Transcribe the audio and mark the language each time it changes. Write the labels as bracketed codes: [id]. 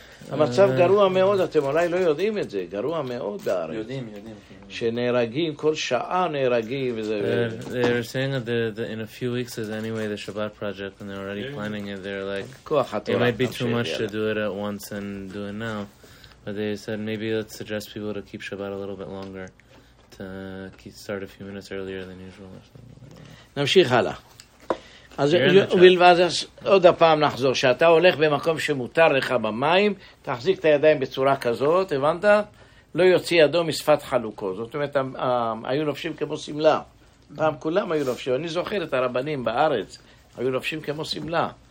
[he] המצב גרוע מאוד, אתם אולי לא יודעים את זה. גרוע מאוד בארץ. יודעים. שנהרגים, כל שעה נהרגים. [en] They were saying that in a few weeks is anyway the Shabbat project and they're already planning it. They're like, it might be too much to do it at once and do it now. But they said maybe let's suggest people to keep Shabbat a little bit longer, to start a few minutes earlier than usual. [he] נמשיך הלאה. אז בלבד עוד הפעם נחזור, שאתה הולך במקום שמותר לך במים, תחזיק את הידיים בצורה כזאת, הבנת? לא יוציא ידו משפת חלוקו. זאת אומרת, היו לובשים כמו סמלה. פעם כולם היו לובשים. אני זוכר את הרבנים בארץ, היו לובשים כמו סמלה.